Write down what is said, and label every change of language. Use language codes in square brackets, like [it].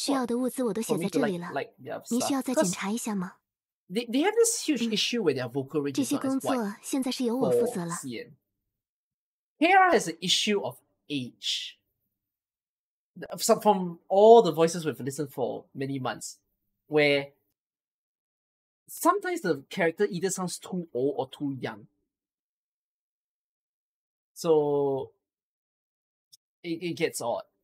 [zh] 需要的物资我都写在这里了，你需要再检查一下吗？ [en] They have this huge issue with their vocal range. [zh] 这些工作现在是由我负责了。 [en] CN. KR has an issue of age. From all the voices we've listened for many months, where sometimes the character either sounds too old or too young. So, it gets odd.